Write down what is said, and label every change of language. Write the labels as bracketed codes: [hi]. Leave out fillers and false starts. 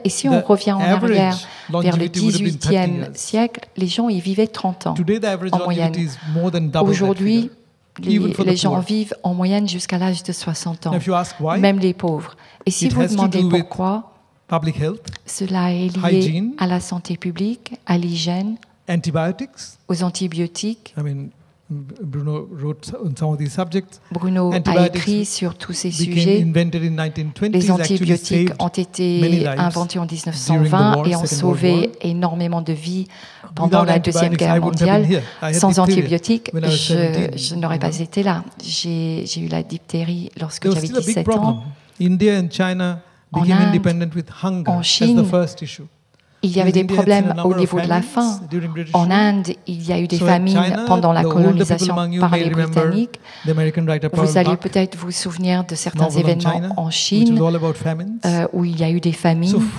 [fr] Et si on revient en arrière, vers le 18e siècle, les gens y vivaient 30 ans en moyenne. Aujourd'hui, les gens vivent en moyenne jusqu'à l'âge de 60 ans, même les pauvres. Et si vous demandez pourquoi, [en] public health, [fr] cela est lié hygiene, à la santé publique, à l'hygiène, [en] antibiotics, [fr] aux antibiotiques. [en] I mean, Bruno wrote on some of these subjects. [fr] Bruno a écrit sur tous ces sujets. [en] Invented in 1920s, [fr] les antibiotiques ont été inventés en 1920 et ont sauvé énormément de vies pendant la Deuxième Guerre mondiale. Sans antibiotiques, je n'aurais pas été là. J'ai eu la diphtérie lorsque j'avais 17 ans. [en] India and China became independent with hunger [fr] en Chine, [en] as the first issue. [fr] Il y avait des problèmes au niveau de la faim. En Inde, il y a eu des famines pendant la colonisation par les Britanniques. Vous allez peut-être vous souvenir de certains événements en Chine où il y a eu des famines.